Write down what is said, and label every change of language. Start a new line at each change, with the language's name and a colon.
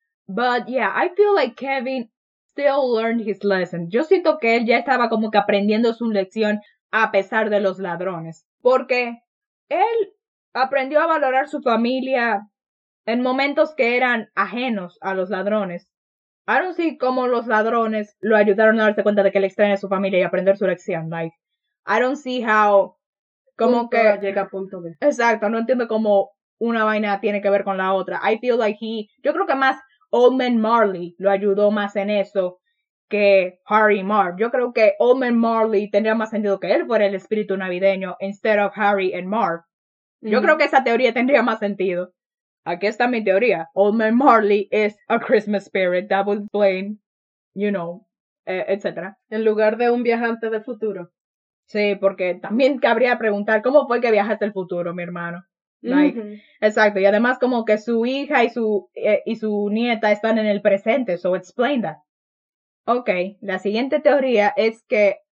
English: But yeah, I feel like Kevin still learned his lesson.
Spanish: Yo siento que él ya estaba como que aprendiendo su lección a pesar de los ladrones. Porque él aprendió a valorar su familia en momentos que eran ajenos a los ladrones.
English: I don't see
Spanish: cómo los ladrones lo ayudaron a darse cuenta de que él extraña a su familia y aprender su lección.
English: Like, I don't see how...
Spanish: Como que a llega a punto B. Exacto, no entiendo cómo una vaina tiene que ver con la otra.
English: I feel like he...
Spanish: Yo creo que más Old Man Marley lo ayudó más en eso que Harry y Marv. Yo creo que Old Man Marley tendría más sentido que él fuera el espíritu navideño
English: instead of Harry and Marv.
Spanish: Yo creo que esa teoría tendría más sentido. Aquí está mi teoría.
English: Old Man Marley is a Christmas spirit that will explain, you know, etc.
Spanish: En lugar de un viajante del futuro. Sí, porque también cabría preguntar, ¿cómo fue que viajaste al futuro, mi hermano? Exacto, y además como que su hija y su nieta están en el presente,
English: so explain that.
Spanish: Okay, la siguiente teoría es que